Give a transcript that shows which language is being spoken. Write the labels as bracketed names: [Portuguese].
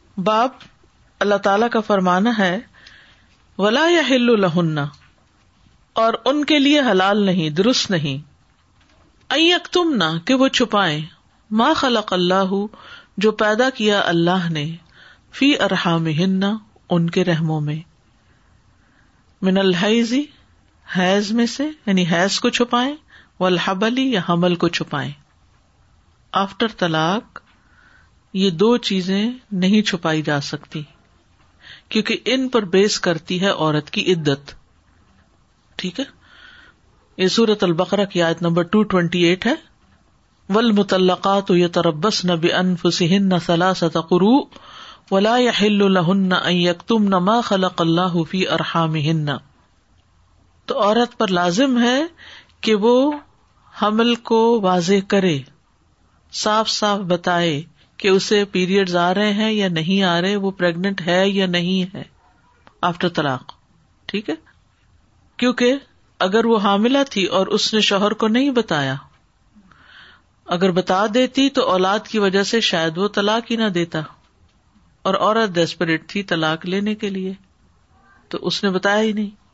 [Urdu] باب اللہ تعالیٰ کا فرمانا ہے [Arabic] ولا یحل لہن، [Urdu] اور ان کے لیے حلال نہیں، درست نہیں، [Arabic] ان یکتمنا [Urdu] کہ وہ چھپائیں، [Arabic] ما خلق اللہ [Urdu] جو پیدا کیا اللہ نے، [Arabic] فی ارحامہن [Urdu] ان کے رحموں میں، [Arabic] من الحیض [Urdu] حیض میں سے، یعنی حیض کو چھپائیں، [Arabic] والحبل [Urdu] یا حمل کو چھپائیں. آفٹر طلاق یہ دو چیزیں نہیں چھپائی جا سکتی، کیونکہ ان پر بیس کرتی ہے عورت کی عدت. ٹھیک ہے، یہ سورۃ البقرہ کی آیت نمبر 228 ہے. [Arabic] والمطلقات يتربصن بأنفسهن ثلاثة قروء ولا يحل لهن أن يكتمن ما خلق الله في أرحامهن. [Urdu] تو عورت پر لازم ہے کہ وہ حمل کو واضح کرے, صاف صاف بتائے کہ اسے پیریڈز آ رہے ہیں یا نہیں آ رہے, وہ پریگنٹ ہے یا نہیں ہے آفٹر طلاق, ٹھیک ہے؟ کیونکہ اگر وہ حاملہ تھی اور اس نے شوہر کو نہیں بتایا, اگر بتا دیتی تو اولاد کی وجہ سے شاید وہ طلاق ہی نہ دیتا, اور عورت ڈیسپریٹ تھی طلاق لینے کے لیے تو اس نے بتایا ہی نہیں.